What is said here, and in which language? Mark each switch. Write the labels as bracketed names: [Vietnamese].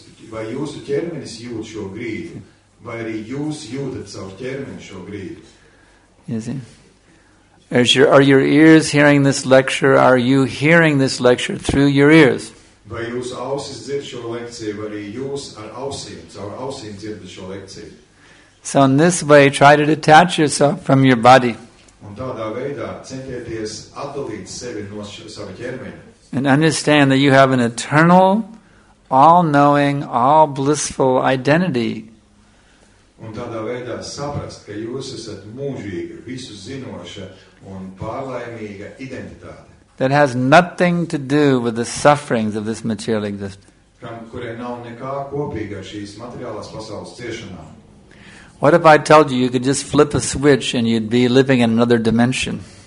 [Latvian] Vai jūsu ķermenis jūt šo grīdu, vai arī jūs jūtat savu ķermeni šo grīdu? [English] Is it? Are your ears hearing this lecture? Are you hearing this lecture through your ears? [Latvian] Vai jūs ausis dzird šo lekciju, vai arī jūs ar ausīm, caur ausīm dzirdat šo lekciju? [English] So in this way, try to detach yourself from your body. [Latvian] Un tādā veidā centieties atdalīt sevi no sava ķermeņa. [English] And understand that you have an eternal, all-knowing, all-blissful identity [Latvian] Un tādā veidā saprast, ka jūs esat mūžīga, visu zinoša un pārlaimīga identitāte. [English] That has nothing to do with the sufferings of this material existence. [Latvian] Kam, kurai nav nekā kopīga ar šīs materiālās pasaules ciešanām. [English] What if I told you you could just flip a switch and you'd be living in another dimension?